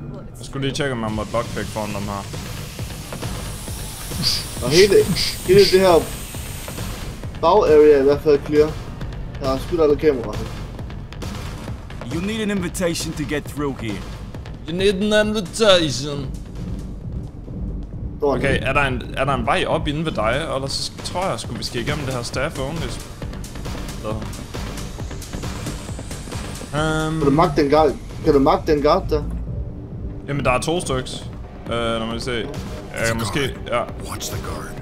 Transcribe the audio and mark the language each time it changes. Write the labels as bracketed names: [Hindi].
[Danish] Jeg skulle lige tjekke, om jeg måtte lockpick foran dem her. Og hele det her bag-area er i hvert fald clear. Jeg har skudt alle kameraer. [English] You need an invitation to get through here. You need an invitation. [Danish] Okay, er der en vej op inden ved dig? Eller så tror jeg, skulle vi skal igennem det her staff ordentligt. Kan du magte den guard der? Jamen, der er to styks. Lad mig se. Ja, måske, ja. [English] Watch the guard.